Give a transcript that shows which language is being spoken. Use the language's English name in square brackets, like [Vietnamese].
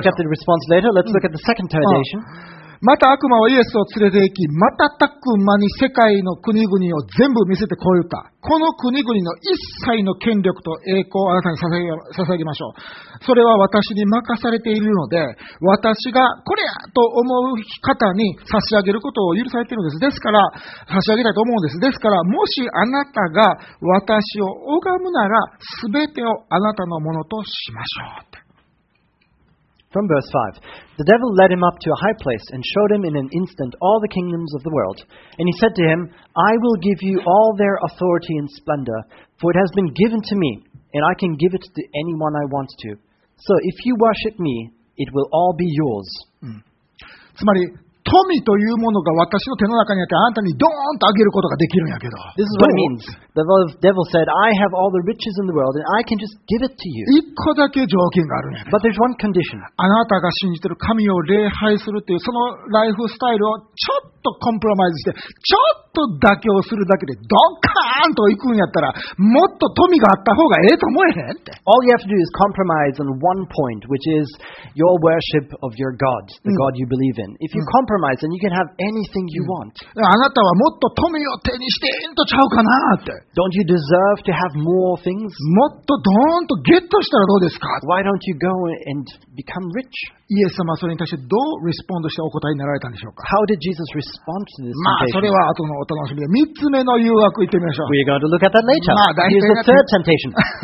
[English] We'll look at the response later. Let's look at the second temptation. [Japanese] また悪魔はイエスを連れて行き、瞬く間に世界の国々を全部見せてこう言った。この国々の一切の権力と栄光をあなたに捧げましょう。それは私に任されているので、私がこれやと思う方に差し上げることを許されているんです。ですから、差し上げたいと思うんです。ですから、もしあなたが私を拝むなら、すべてをあなたのものとしましょう。 [English] From verse 5, the devil led him up to a high place and showed him in an instant all the kingdoms of the world. And he said to him, I will give you all their authority and splendor, for it has been given to me, and I can give it to anyone I want to. So if you worship me, it will all be yours. [Japanese] つまり、富というものが私の手の中にあってあなたにドーンとあげることができるんやけど。 [English] This is what it means. The devil said, I have all the riches in the world and I can just give it to you. [Japanese] 一個だけ条件があるんや。 [English] But there's one condition. [Japanese] あなたが信じてる神を礼拝するっていうそのライフスタイルをちょっとコンプロマイズして、ちょっと妥協するだけでドカーンと行くんやったら、もっと富があった方がええと思えへんって。 [English] All you have to do is compromise on one point, which is your worship of your God, the God you believe in. If you compromise, then you can have anything you want. [Japanese] あなたはもっと富を手にしてんとちゃうかなって。 [English] Don't you deserve to have more things? [Japanese] もっとドーンとゲットしたらどうですか? [English] Why don't you go and become rich? [Japanese] イエス様はそれに対してどうリスポンドしてお答えになられたんでしょうか? [English] How did Jesus respond to this? [Japanese] まあそれは後のお楽しみで。三つ目の誘惑行ってみましょう。 [English] We're going to look at that later. Here's the third temptation.